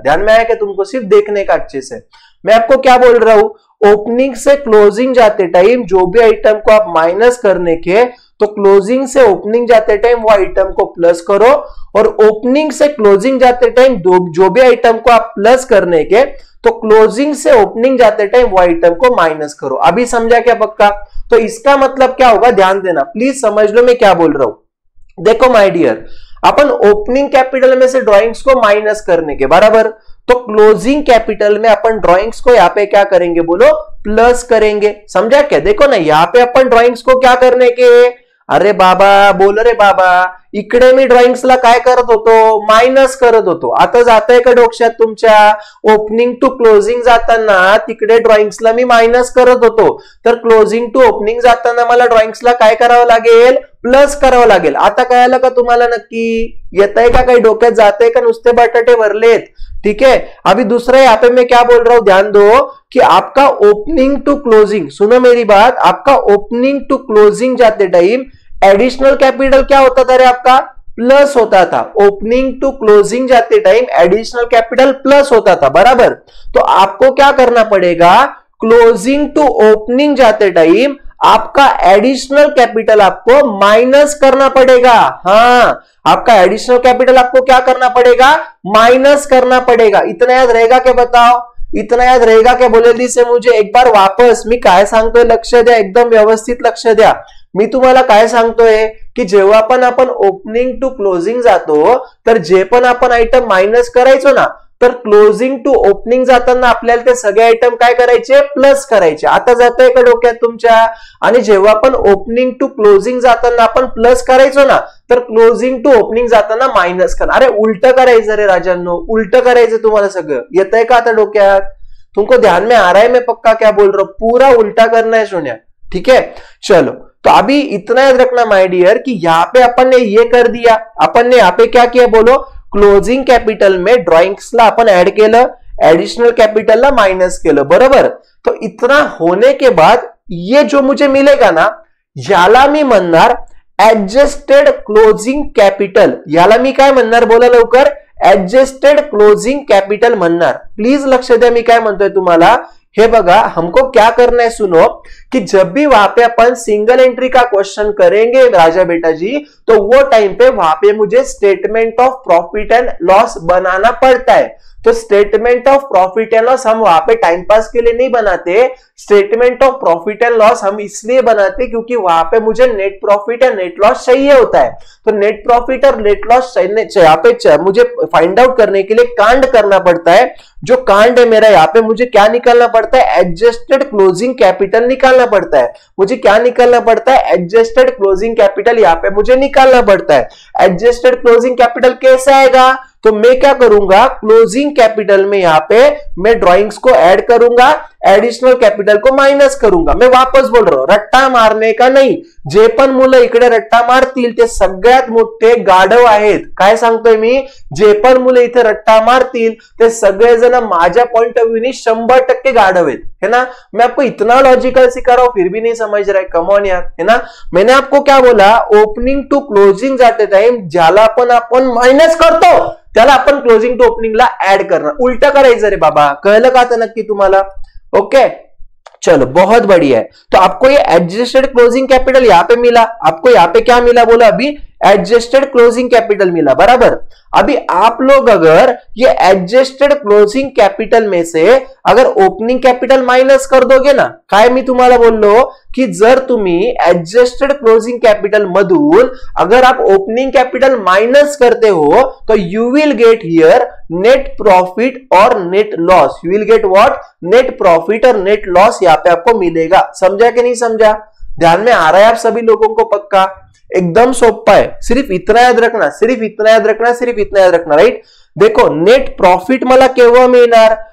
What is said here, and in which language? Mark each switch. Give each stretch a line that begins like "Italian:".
Hindi: ध्यान में आया कि तुमको सिर्फ देखने का अच्छे से। मैं आपको क्या बोल रहा हूं, ओपनिंग से क्लोजिंग जाते टाइम जो भी आइटम को आप माइनस करने के, तो क्लोजिंग से ओपनिंग जाते टाइम वो आइटम को प्लस करो, और ओपनिंग से क्लोजिंग जाते टाइम जो भी आइटम को आप प्लस करने के, तो क्लोजिंग से ओपनिंग जाते टाइम वो आइटम को माइनस करो। अभी समझा क्या पक्का? तो इसका मतलब क्या होगा, ध्यान देना, प्लीज समझ लो मैं क्या बोल रहा हूं। देखो my dear, upon opening capital में से ड्रॉइंग्स को माइनस करने के, बराबर। तो क्लोजिंग कैपिटल में अपन ड्रॉइंग्स को यहां पे क्या करेंगे बोलो, प्लस करेंगे। समझा क्या? देखो ना यहां पे अपन ड्रॉइंग्स को क्या करने के, अरे बाबा बोल रे बाबा,
Marathi: इकडे मी ड्रॉइंग्स ला काय करत होतो,
Hindi: माइनस करत होतो।
Marathi: आता जाता है का डोक्यात तुमच्या, ओपनिंग टू क्लोजिंग जाताना तिकडे ड्रॉइंग्स ला मी माइनस करत होतो, तर क्लोजिंग टू ओपनिंग जाताना मला ड्रॉइंग्स ला काय करावं लागेल, प्लस करावं लागेल। आता काय आलं का तुम्हाला, नक्की येत आहे का, काही डोक्यात जाते का, नुसते बटाटे भरलेत,
Hindi: ठीक है? अभी दूसरा यहाँ पे मैं क्या बोल रहा हूँ, ध्यान दो कि आपका ओपनिंग टू क्लोजिंग, सुनो मेरी बात, आपका ओपनिंग टू क्लोजिंग जाते टाइम एडिशनल कैपिटल क्या होता था रे आपका, प्लस होता था। ओपनिंग टू क्लोजिंग जाते टाइम एडिशनल कैपिटल प्लस होता था, बराबर। तो आपको क्या करना पड़ेगा, क्लोजिंग टू ओपनिंग जाते टाइम आपका एडिशनल कैपिटल आपको माइनस करना पड़ेगा। हाँ, आपका एडिशनल कैपिटल आपको क्या करना पड़ेगा, माइनस करना पड़ेगा। इतना याद रहेगा क्या बताओ, इतना याद रहेगा क्या? बोले दी से मुझे एक बार वापस,
Marathi: मी काय सांगतोय लक्ष द्या, एकदम व्यवस्थित लक्ष द्या। मी तुम्हाला काय सांगतोय कि जेव्हा आपण ओपनिंग टू क्लोजिंग जातो, तर जे पण आपण आयटम माइनस करायचो ना, तर क्लोजिंग टू ओपनिंग जाताना आपल्याला ते सगळे आयटम काय करायचे, प्लस करायचे। आता जातंय का डोक्यात तुमच्या? आणि जेव्हा आपण ओपनिंग टू क्लोजिंग जाताना आपण प्लस करायचो ना, तर क्लोजिंग टू ओपनिंग जाताना माइनस करणार। अरे उलट करायचं रे राजांनो, उलट करायचं तुम्हाला सगळं, येतंय का आता डोक्यात?
Hindi: तुमको ध्यान में आ रहा है मैं पक्का क्या बोल रहा हूँ? पूरा उल्टा करना है सुनिया, ठीक है? चलो तो अभी इतना याद रखना माय डियर कि यहाँ पे अपन ने ये कर दिया, अपन ने यहाँ पे क्या किया बोलो, क्लोजिंग कैपिटल में
Marathi: ड्रॉइंग्स ला अपन ऐड केलं, एडिशनल कैपिटल ला माइनस केलं, बरोबर।
Hindi: तो इतना होने के बाद ये जो मुझे मिलेगा ना,
Marathi: याला मी म्हणणार एडजस्टेड क्लोजिंग कैपिटल। याला मी काय म्हणणार बोला लवकर, एडजस्टेड क्लोजिंग कैपिटल म्हणणार। प्लीज लक्ष द्या मी काय म्हणतोय तुम्हाला, हे बघा,
Hindi: हमको क्या करना है सुनो, कि जब भी वहां पे अपन सिंगल एंट्री का क्वेश्चन करेंगे राजा बेटा जी, तो वो टाइम पे वहां पे मुझे statement of profit and loss बनाना पड़ता है। तो statement of profit and loss हम वहां पे टाइम पास के लिए नहीं बनाते, statement of profit and loss हम इसलिए बनाते क्योंकि वहां पे मुझे net profit and net loss चाहिए होता है। तो नेट प्रॉफिट और नेट लॉस यहाँ पे मुझे फाइंड आउट करने के लिए कांड करना पड़ता है। जो कांड है मेरा यहाँ पे, मुझे क्या निकालना पड़ता है, एडजस्टेड क्लोजिंग कैपिटल निकालना पड़ता है। मुझे क्या निकालना पड़ता है, एडजस्टेड क्लोजिंग कैपिटल यहाँ पे मुझे निकालना पड़ता है। एडजस्टेड क्लोजिंग कैपिटल कैसे आएगा, तो मैं क्या करूंगा, क्लोजिंग कैपिटल में यहाँ पे मैं ड्रॉइंग्स को ऐड करूंगा, एडिशनल कैपिटल को माइनस करूंगा। मैं वापस बोल रहा हूं, रट्टा मारने का नहीं,
Marathi: जे पण मुलं इकडे रट्टा मारतील ते सगळ्यात मोठे गाढव आहेत। काय सांगतोय मी, जे पण मुलं इथे रट्टा मारतील ते सगळेजण माझ्या पॉइंट ऑफ व्ह्यू नी 100% गाढव आहेत,
Hindi: है ना? मैं आपको इतना लॉजिकल सिखा, फिर भी नहीं समझ रहा है, कमॉन यार, है ना? मैंने आपको क्या बोला, ओपनिंग टू क्लोजिंग जाते टाइम
Marathi: ज्याला अपन अपन माइनस करतो त्याला आपण क्लोजिंग टू ओपनिंग ला
Hindi: add करना,
Marathi: उलट करायचं रे बाबा, कळलं का आता नक्की तुम्हाला?
Hindi: ओके चलो, बहुत बढ़िया है। तो आपको ये एडजस्टेड क्लोजिंग कैपिटल यहाँ पे मिला, आपको यहाँ पे क्या मिला बोला, अभी एडजस्टेड क्लोजिंग कैपिटल मिला, बराबर। अभी आप लोग अगर ये एडजस्टेड क्लोजिंग कैपिटल में से अगर ओपनिंग कैपिटल माइनस कर दोगे ना,
Marathi: काय मी तुम्हाला बोललो की जर तुम्ही एडजस्टेड क्लोजिंग कैपिटल मधून अगर
Hindi: आप ओपनिंग कैपिटल माइनस करते हो तो
English: You will get here net profit और net loss. You will get what?
Hindi: Net profit और नेट लॉस यहाँ पे आपको मिलेगा। समझा कि नहीं समझा? ध्यान में आ रहा है आप सभी लोगों को? पक्का एकदम सोप्पा है, सिर्फ इतना याद रखना, सिर्फ इतना याद रखना, सिर्फ इतना याद रखना, राइट।
Marathi: देखो नेट प्रॉफिट मला केव्हा मिळणार?